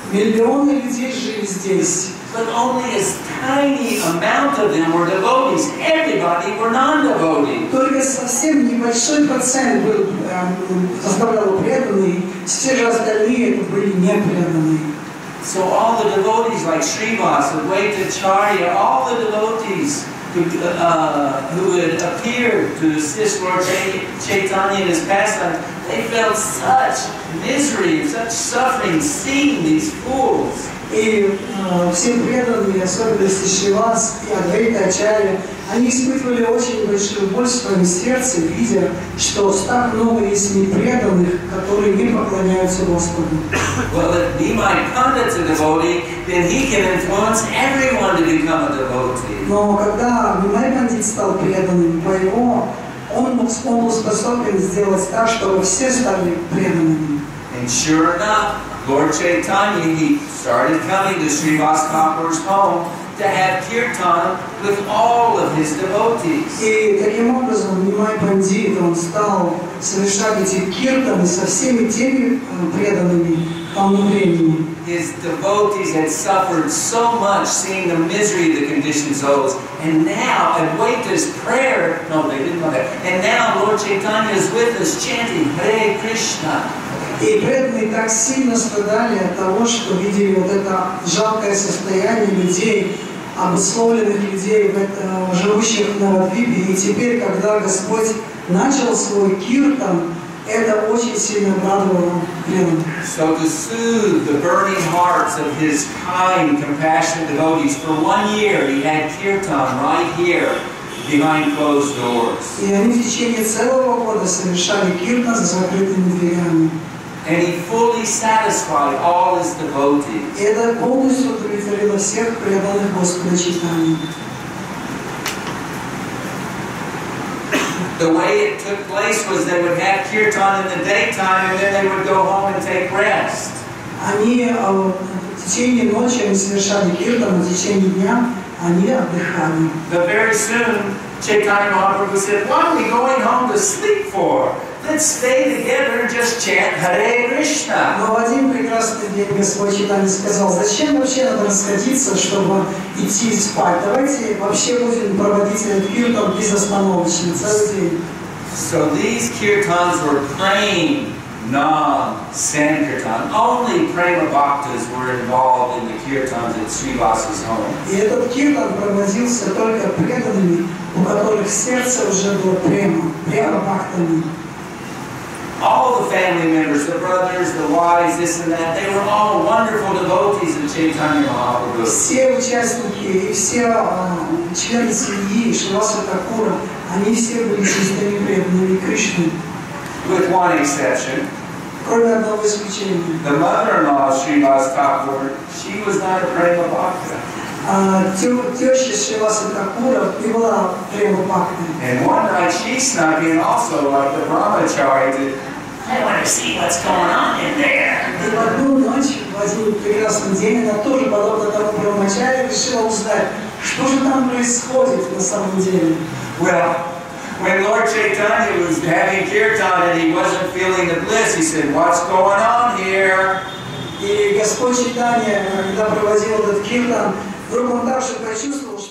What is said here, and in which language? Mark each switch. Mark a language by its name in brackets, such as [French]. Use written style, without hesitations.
[Russian] Миллионы людей жили здесь. [English] But only a tiny amount of them were devotees. Everybody were non-devotees. [Russian] Только совсем небольшой процент был составлял преданные. Все же остальные были непреданные. [English] So all the devotees, like Srivas, Advaitacharya, all the devotees who had appeared to assist Lord Chaitanya in his pastime, they felt such misery and such suffering seeing these fools. [Russian] И всем преданным, особенности Шривас и Адвайтачарья, они испытывали очень большую боль в своем сердце, видя, что так много есть непреданных, которые не поклоняются Господу. [English] Well, if Nimai Pandit's a devotee, then he can influence everyone to become a devotee. [Russian] Но когда Нимай Пандит стал преданным, по его, он был способен сделать так, чтобы все стали преданными. [English] And sure enough, Lord Chaitanya, he started coming to Srivas Thakur's home to have kirtan with all of his devotees. [Russian] И таким образом Нимай Пандит он стал совершать эти киртаны со всеми теми преданными к тому времени. [English] His devotees had suffered so much seeing the misery of the conditioned souls, and now Advaita's prayer. No, they didn't know that. And now Lord Chaitanya is with us chanting Hare Krishna. [Russian] И преданные так сильно страдали от того, что видели вот это жалкое состояние людей, обусловленных людей, живущих на Радвипе. И теперь, когда Господь начал свой киртан, это очень сильно обрадовало преданных. [English] So to soothe the burning hearts of his kind, compassionate devotees, for one year he had kirtan right here. Behind closed doors. [Russian] И они в течение целого года совершали киртан за закрытыми дверями. [English] And he fully satisfied all his devotees. [Russian] И это полностью удовлетворило всех преданных Господа Чайтаньи. [English] The way it took place was they would have kirtan in the daytime and then they would go home and take rest. [Russian] Они в течение ночи они совершали киртан, в течение дня они отдыхали. [English] But very soon, Chaitanya Mahaprabhu said, "What are we going home to sleep for? Let's stay together and just chant Hare Krishna." [Russian] Но в один прекрасный день Господь Чайтанья сказал, зачем вообще надо расходиться, чтобы идти спать? Давайте вообще будем проводить этот киртан безостановочно целый день. [English] So these kirtans were praying non-sankirtan. Only prema bhaktas were involved in the kirtans at Srivas's home. [Russian] И этот киртан проводился только преданными, у которых сердце уже было према, према бхактами. [English] All the family members, the brothers, the wives, this and that, they were all wonderful devotees of Chaitanya Mahaprabhu. [Russian] Все участники и все члены семьи Шриваса Такура, они все были чистыми преданными Кришне. [English] With one exception. [Russian] Кроме одного исключения. [English] The mother-in-law of Shrivas Thakur, she was not a prema bhakta. [Russian] Теща Шриваса Такура не была прямо бхакти. [English] And one night she snuck in also like the brahmachari did. I want to see what's going on in there. [Russian] И в одну ночь, в один прекрасный день, она тоже подобно тому брахмачари решила узнать, что же там происходит на самом деле. [English] Well, when Lord Chaitanya was having kirtan and he wasn't feeling the bliss, he said, "What's going on here?" [Russian] И Господь Чайтанья, когда проводил этот киртан, вдруг он так же почувствовал.